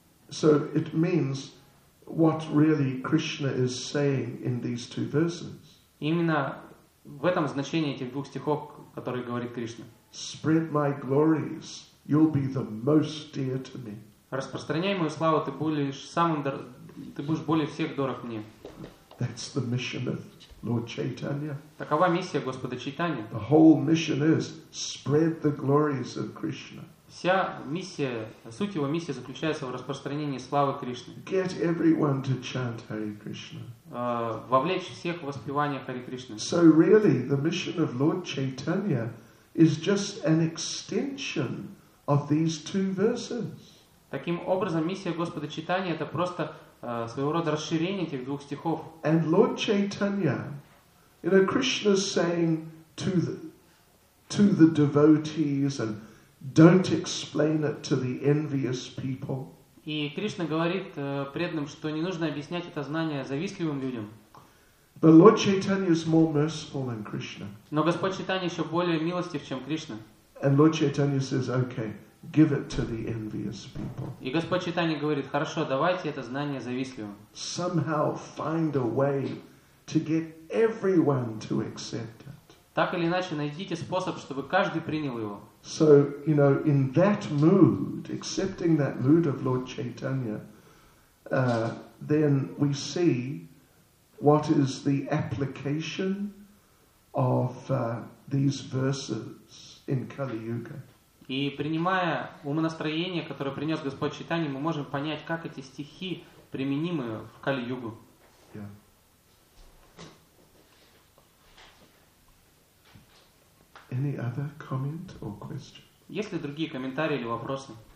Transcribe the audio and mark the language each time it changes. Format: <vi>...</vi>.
<en>So it means what really Krishna is saying in these two verses.</en> <ru>Именно в этом значении этих двух стихов, которые говорит Кришна.</ru> <en>Spread my glories, you'll be the most dear to me.</en> <ru>Распространяй мою славу, ты будешь более всех дорог мне.</ru> <en>That's the mission of Lord Chaitanya.</en> <ru>Такова миссия Господа Чайтаньи.</ru> <en>The whole mission is spread the glories of Krishna.</en> <ru>Вся миссия, суть его миссии заключается в распространении славы Кришны.</ru> <en>Get everyone to chant Hare Krishna.</en> <ru>Вовлечь всех в воспевание Харе Кришны.</ru> <en>So really, the mission of Lord Chaitanya is just an extension of these two verses.</en> <ru>Таким образом, миссия Господа Чайтаньи это просто своего рода расширение этих двух стихов.</ru> <en>And Lord Chaitanya, you know, Krishna's saying to the devotees and don't explain it to the envious people.</en> <ru>И Кришна говорит преданным, что не нужно объяснять это знание завистливым людям.</ru> <en>But Lord Chaitanya is more merciful than Krishna.</en> <ru>Но Господь Чайтанья еще более милостив, чем Кришна.</ru> <en>And Lord Chaitanya says, okay, give it to the envious people.</en> <ru>И Господь Чайтанья говорит, хорошо, давайте это знание завистливым.</ru> <en>Somehow find a way to get everyone to accept it.</en> <ru>Так или иначе, найдите способ, чтобы каждый принял его.</ru> <en>So, you know, in that mood, accepting that mood of Lord Chaitanya, then we see what is the application of these verses in Kali Yuga.</en> <ru>И принимая умонастроение, которое принес Господь Чайтанья, мы можем понять, как эти стихи применимы в Кали Югу.</ru> <en>Yeah. Any other comment or question?</en> <ru>Есть ли другие комментарии или вопросы?</ru>